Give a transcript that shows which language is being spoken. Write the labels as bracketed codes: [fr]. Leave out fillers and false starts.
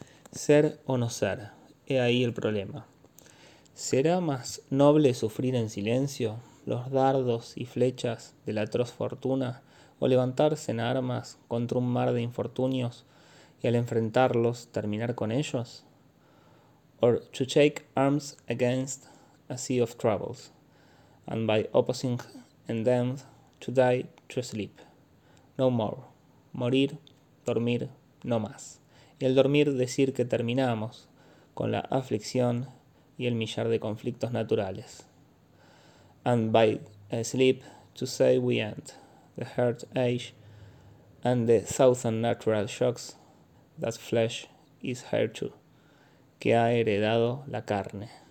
[es] Ser o no ser, he ahí el problema. ¿Será más noble sufrir en silencio los dardos y flechas de la atroz fortuna, o levantarse en armas contra un mar de infortunios y al enfrentarlos terminar con ellos? [en] Or to take arms against a sea of troubles, and by opposing and them to die to sleep, no more, [es] morir, dormir, no más. y al dormir decir que terminamos con la aflicción y el millar de conflictos naturales. [en] And by sleep to say we end the hurt age and the thousand natural shocks that flesh is heir to, [es] que ha heredado la carne.